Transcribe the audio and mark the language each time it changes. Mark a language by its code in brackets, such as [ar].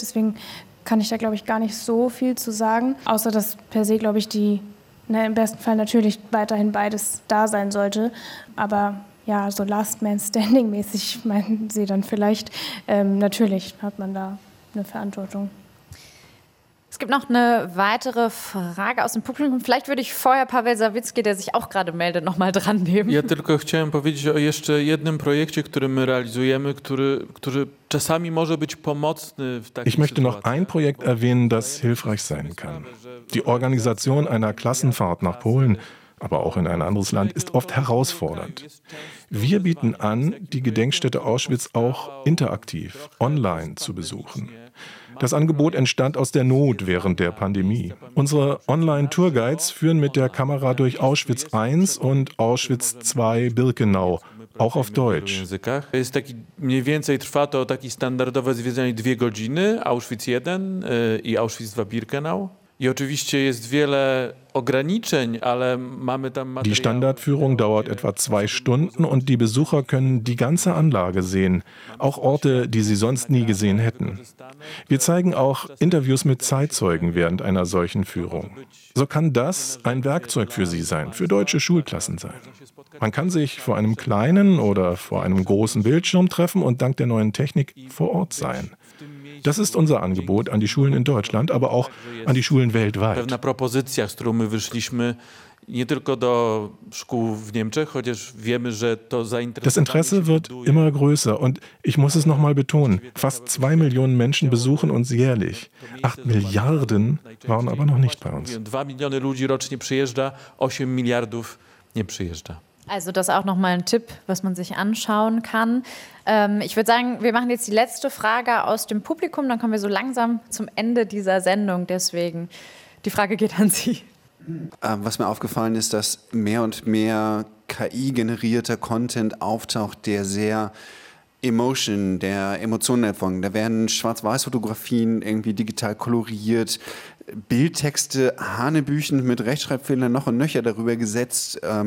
[de] Deswegen kann ich da, glaube ich, gar nicht so viel zu sagen. Außer, dass per se, glaube ich, im besten Fall natürlich weiterhin beides da sein sollte. Aber ja, so Last Man Standing mäßig meinen Sie dann vielleicht. Natürlich hat man da eine Verantwortung. Es gibt noch eine weitere Frage aus dem Publikum. Vielleicht würde ich vorher Paweł Sawicki, der sich auch gerade meldet, noch mal dran nehmen. [pl] Ja, tylko chciałem powiedzieć o jeszcze jednym projekcie, który my realizujemy, który czasami może być pomocny w takiej. [de] Ich möchte noch ein Projekt erwähnen, das hilfreich sein kann. Die Organisation einer Klassenfahrt nach Polen, aber auch in ein anderes Land, ist oft herausfordernd. Wir bieten an, die Gedenkstätte Auschwitz auch interaktiv, online zu besuchen. Das Angebot entstand aus der Not während der Pandemie. Unsere Online-Tourguides führen mit der Kamera durch Auschwitz I und Auschwitz II Birkenau, auch auf Deutsch. [pl] Jest taki mniej więcej trwa to taki standardowe zwiedzanie 2 godziny, Auschwitz I i Auschwitz II Birkenau. I oczywiście jest wiele ograniczeń, ale mamy tam Material. [de] Die Standardführung dauert etwa 2 Stunden und die Besucher können die ganze Anlage sehen, auch Orte, die sie sonst nie gesehen hätten. Wir zeigen auch Interviews mit Zeitzeugen während einer solchen Führung. So kann das ein Werkzeug für sie sein, für deutsche Schulklassen sein. Man kann sich vor einem kleinen oder vor einem großen Bildschirm treffen und dank der neuen Technik vor Ort sein. Das ist unser Angebot an die Schulen in Deutschland, aber auch an die Schulen weltweit. [pl] Pewna propozycja, z którą my wyszliśmy, nie tylko do szkół w Niemczech, chociaż wiemy, że to zainteresowanie. [de] Das Interesse wird immer größer und ich muss es nochmal betonen, fast 2 Millionen Menschen besuchen uns jährlich. 8 Milliarden waren aber noch nicht bei uns. [pl] 2 Miliony ludzi rocznie przyjeżdża, 8 Miliardów nie przyjeżdża. [de] Also das auch nochmal ein Tipp, was man sich anschauen kann. Ich würde sagen, wir machen jetzt die letzte Frage aus dem Publikum, dann kommen wir so langsam zum Ende dieser Sendung. Deswegen, die Frage geht an Sie. Was mir aufgefallen ist, dass mehr und mehr KI-generierter Content auftaucht, der sehr Emotion, der Emotionen erfolgt. Da werden Schwarz-Weiß-Fotografien irgendwie digital koloriert, Bildtexte, Hanebüchen mit Rechtschreibfehlern noch und nöcher darüber gesetzt.